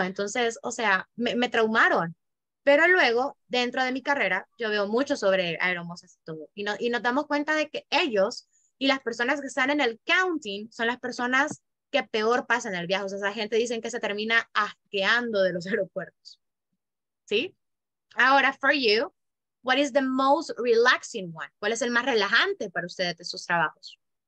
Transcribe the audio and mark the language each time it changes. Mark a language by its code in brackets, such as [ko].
[es] Entonces, o sea, me traumaron. Pero luego, dentro de mi carrera, yo veo mucho sobre aeromosas y todo. Y nos damos cuenta de que ellos y las personas que están en el counting son las personas que peor pasan el viaje. O sea, esa gente dicen que se termina asqueando de los aeropuertos. ¿Sí? Ahora, [en] for you, what is the most relaxing one? [es] ¿Cuál es el más relajante para ustedes de sus trabajos?